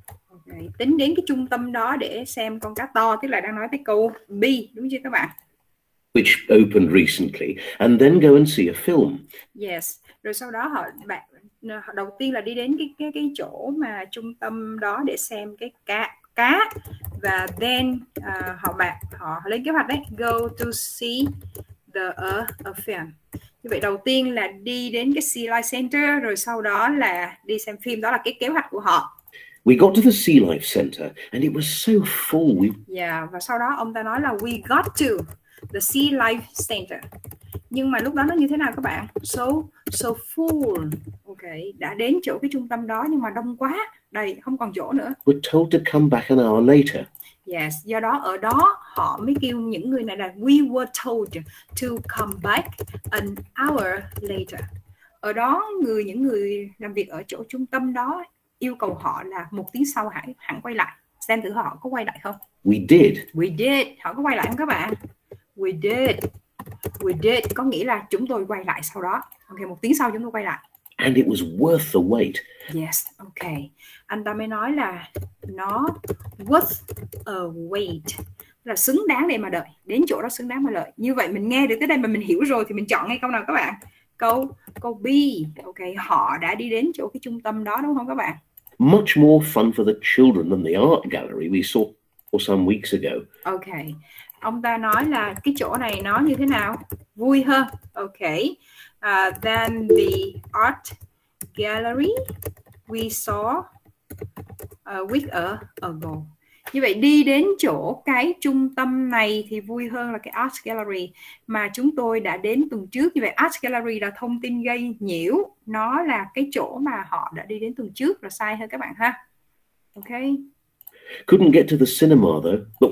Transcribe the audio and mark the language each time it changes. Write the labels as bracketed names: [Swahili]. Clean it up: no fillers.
[Vietnamese] Okay, tính đến cái trung tâm đó để xem con cá to, tức là đang nói tới câu B, đúng chưa các bạn? [English] Which opened recently, and then go and see a film. [Vietnamese] Yes, rồi sau đó họ... đầu tiên là đi đến cái chỗ mà trung tâm đó để xem cái cá và then họ lên kế hoạch đấy, [English] go to see a film. [Vietnamese] Như vậy đầu tiên là đi đến cái Sea Life Center rồi sau đó là đi xem phim, đó là cái kế hoạch của họ. [English] We got to the Sea Life Center and it was so full. [Vietnamese] Yeah, và sau đó ông ta nói là the Sea Life Center. Nhưng mà lúc đó nó như thế nào các bạn? [English] So full. [Vietnamese] Okay, đã đến chỗ cái trung tâm đó nhưng mà đông quá. Đây, không còn chỗ nữa. [English] We're told to come back an hour later. [Vietnamese] Yes, do đó ở đó họ mới kêu những người này là [English] we were told to come back an hour later. [Vietnamese] Ở đó những người làm việc ở chỗ trung tâm đó yêu cầu họ là một tiếng sau hẳn quay lại. Xem thử họ có quay lại không? [English] We did. We did. [Vietnamese] Họ có quay lại không các bạn? [English] We did. We did. [Vietnamese] Có nghĩa là chúng tôi quay lại sau đó. Ok, một tiếng sau chúng tôi quay lại. [English] And it was worth the wait. Yes, ok. [Vietnamese] Anh ta mới nói là nó worth a wait. Là xứng đáng để mà đợi. Đến chỗ đó xứng đáng mà đợi. Như vậy mình nghe được tới đây mà mình hiểu rồi thì mình chọn ngay câu nào các bạn? Câu B. Ok, họ đã đi đến chỗ cái trung tâm đó đúng không các bạn? [English] Much more fun for the children than the art gallery we saw some weeks ago. Okay. [Vietnamese] Ông ta nói là cái chỗ này nó như thế nào? Vui hơn. Okay. [English] Than the art gallery we saw a week ago. [Vietnamese] Như vậy đi đến chỗ cái trung tâm này thì vui hơn là cái art gallery mà chúng tôi đã đến tuần trước. Như vậy art gallery là thông tin gây nhiễu. Nó là cái chỗ mà họ đã đi đến tuần trước là sai hơn các bạn ha. [English] Okay. Couldn't get to the cinema though. But...